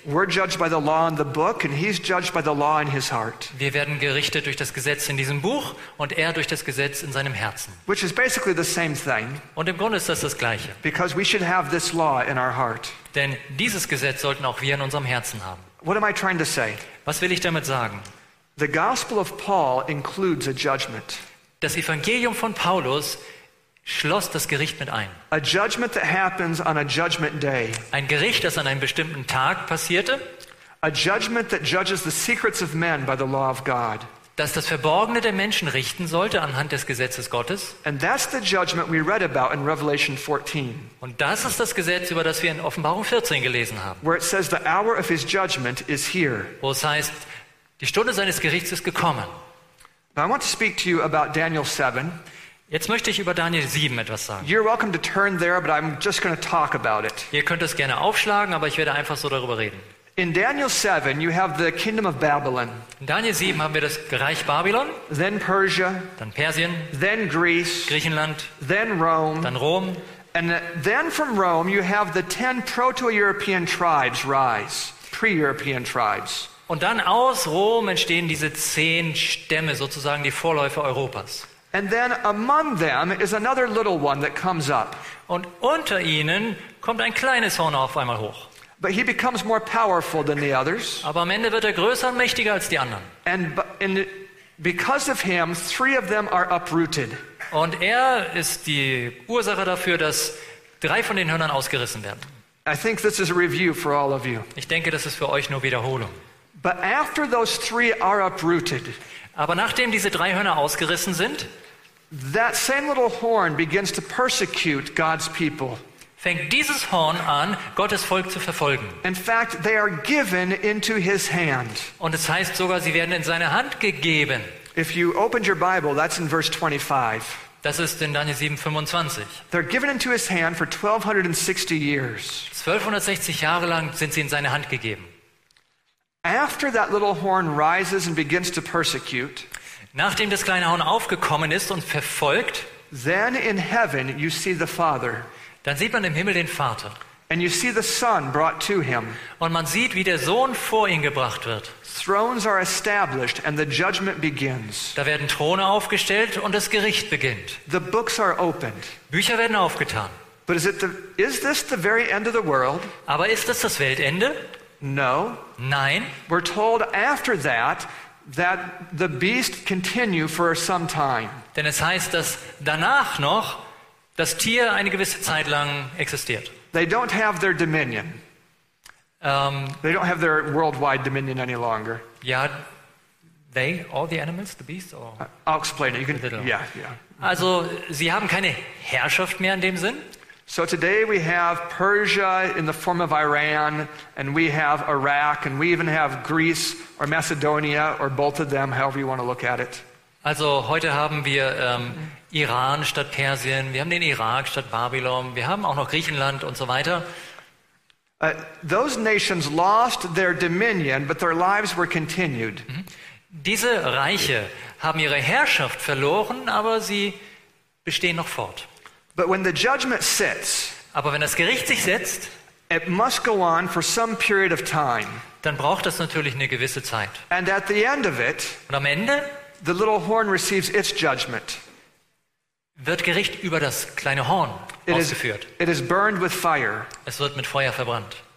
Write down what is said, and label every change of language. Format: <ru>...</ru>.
<en>We're judged by the law in the book, and he's judged by the law in his heart.</en> <de>Wir werden gerichtet durch das Gesetz in diesem Buch und er durch das Gesetz in seinem Herzen.</de> <en>Which is basically the same thing.</en> <de>Und im Grunde ist das das Gleiche.</de> <en>Because we should have this law in our heart.</en> <de>Denn dieses Gesetz sollten auch wir in unserem Herzen haben.</de> <en>What am I trying to say?</en> <de>Was will ich damit sagen?</de> <en>The Gospel of Paul includes a judgment.</en> <de>Das Evangelium von Paulus schloss das Gericht mit ein.</de> <en>A judgment that happens on a judgment day.</en> <de>Ein Gericht, das an einem bestimmten Tag passierte.</de> <en>A judgment that judges the secrets of men by the law of God.</en> <de>Das das Verborgene der Menschen richten sollte anhand des Gesetzes Gottes.</de> <en>And that's the judgment we read about in Revelation 14.</en> <de>Und das ist das Gesetz, über das wir in Offenbarung 14 gelesen haben.</de> <en>Where it says the hour of his judgment is here.</en> <de>Wo es heißt, die Stunde seines Gerichts ist gekommen.</de> <en>Now I want to speak to you about Daniel 7.</en> <de>Jetzt möchte ich über Daniel 7 etwas sagen.</de> <en>You're welcome to turn there, but I'm just going to talk about it.</en> <de>Ihr könnt es gerne aufschlagen, aber ich werde einfach so darüber reden.</de> <en>In Daniel 7, you have the kingdom of Babylon.</en> <de>In Daniel 7 haben wir das Reich Babylon.</de> <en>Then Persia.</en> <de>Dann Persien.</de> <en>Then Greece.</en> <de>Griechenland.</de> <en>Then Rome.</en> <de>Dann Rom.</de> <en>And then from Rome, you have the 10 Proto-European tribes rise. Pre-European tribes.</en> <de>Und dann aus Rom entstehen diese 10 Stämme, sozusagen die Vorläufer Europas.</de> <en>And then among them is another little one that comes up.</en> <de>Und unter ihnen kommt ein kleines Horn auf einmal hoch.</de> <en>But he becomes more powerful than the others.</en> <de>Aber am Ende wird er größer und mächtiger als die anderen.</de> <en>And because of him, three of them are uprooted.</en> <de>Und er ist die Ursache dafür, dass drei von den Hörnern ausgerissen werden.</de> <en>I think this is a review for all of you.</en> <de>Ich denke, das ist für euch nur Wiederholung.</de> <en>But after those three are uprooted,</en> <de>aber nachdem diese drei Hörner ausgerissen sind,</de> <en>that same little horn begins to persecute God's people.</en> <de>Fängt dieses Horn an, Gottes Volk zu verfolgen.</de> <en>In fact, they are given into his hand.</en> <de>Und es heißt sogar, sie werden in seine Hand gegeben.</de> <en>If you opened your Bible, that's in verse 25.</en> <de>Das ist in Daniel 7:25.</de> <en>They're given into his hand for 1260 years.</en> <de>1260 Jahre lang sind sie in seine Hand gegeben.</de> <en>After that little horn rises and begins to persecute,</en> <de>nachdem das kleine Horn aufgekommen ist und verfolgt,</de> <en>then in heaven you see the Father.</en> <de>Dann sieht man im Himmel den Vater.</de> <en>And you see the Son brought to him.</en> <de>Und man sieht, wie der Sohn vor ihn gebracht wird.</de> <en>Thrones are established and the judgment begins.</en> <de>Da werden Throne aufgestellt und das Gericht beginnt.</de> <en>The books are opened.</en> <de>Bücher werden aufgetan.</de> <en>But is this the very end of the world?</en> <de>Aber ist das das Weltende?</de> <en>No.</en> <de>Nein.</de> <en>We're told after that that the beast continue for some time.</en> <de>Denn es heißt, dass danach noch das Tier eine gewisse Zeit lang existiert.</de> <en>They don't have their dominion. They don't have their worldwide dominion any longer. Yeah, they, all the animals, the beasts, or I'll explain it. You can, yeah.</en> <de>Also, sie haben keine Herrschaft mehr in dem Sinn.</de> <en>So today we have Persia in the form of Iran, and we have Iraq, and we even have Greece or Macedonia or both of them, however you want to look at it.</en> <de>Also heute haben wir Iran statt Persien, wir haben den Irak statt Babylon, wir haben auch noch Griechenland und so weiter.</de> <en>Those nations lost their dominion, but their lives were continued.</en> <de>Diese Reiche haben ihre Herrschaft verloren, aber sie bestehen noch fort.</de> <en>But when the judgment sits,</en> <de>aber wenn das Gericht sich setzt,</de> <en>it must go on for some period of time.</en> <de>Dann braucht das natürlich eine gewisse Zeit.</de> <en>And at the end of it,</en> <de>und am Ende,</de> <en>the little horn receives its judgment.</en> <de>Wird Gericht über das kleine Horn ausgeführt.</de> <en>It is burned with fire.</en> <de>Es wird mit Feuer verbrannt.</de>